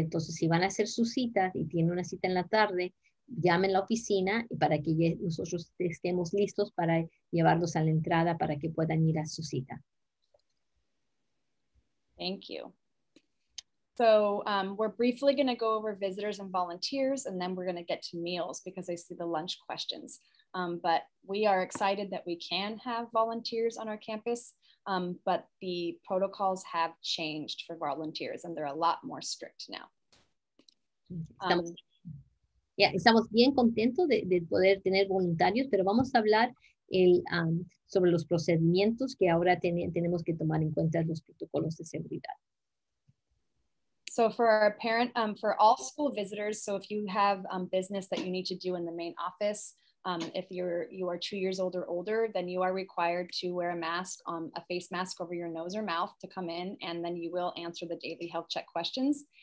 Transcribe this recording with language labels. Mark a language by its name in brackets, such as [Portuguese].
[Spanish] Entonces, si van a hacer su cita y tienen una cita en la tarde, llamen a la oficina para que nosotros estemos listos para llevarlos a la entrada para que puedan ir a su cita. [English] Thank you. So we're briefly going to go over visitors and volunteers, and then we're going to get to meals because I see the lunch questions. But we are excited that we can have volunteers on our campus, but the protocols have changed for volunteers and they're a lot more strict now. [Spanish] Estamos bien contentos de poder tener voluntarios, pero vamos a hablar sobre los procedimientos que ahora tenemos que tomar en cuenta los protocolos de seguridad. [English] So for our parent, for all school visitors, so if you have business that you need to do in the main office, if you are 2 years old or older, then you are required to wear a mask, a face mask over your nose or mouth to come in, and then you will answer the daily health check questions.